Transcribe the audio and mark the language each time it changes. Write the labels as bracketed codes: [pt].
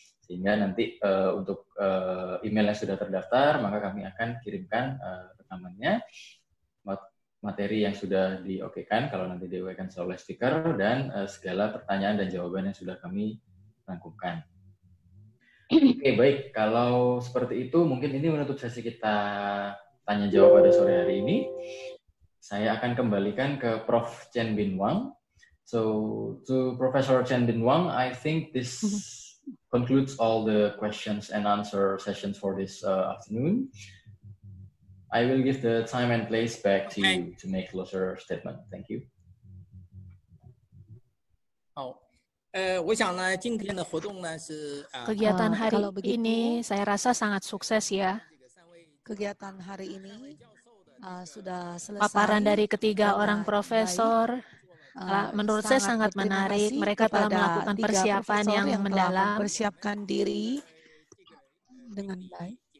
[id] Sehingga nanti untuk email yang sudah terdaftar, maka kami akan kirimkan rekamannya, materi yang sudah di-okekan kalau nanti diwakilkan oleh stiker, dan segala pertanyaan dan jawaban yang sudah kami rangkumkan. Oke, baik. Kalau seperti itu, mungkin ini menutup sesi kita tanya-jawab pada sore hari ini. Saya akan kembalikan ke Prof. Chen Bin Wang. [en] So, to Professor Chen Bin Wang, I think this concludes all the questions and answer sessions for this afternoon. I will give the time and place back to you to make closer statement. Thank you. [zh] 好。我想呢今天的活动呢是 [id] kegiatan hari ini saya rasa sangat sukses ya. Kegiatan hari ini sudah selesai. Paparan dari ketiga orang profesor menurut saya sangat menarik. Mereka telah melakukan persiapan yang mendalam, persiapkan diri dengan baik.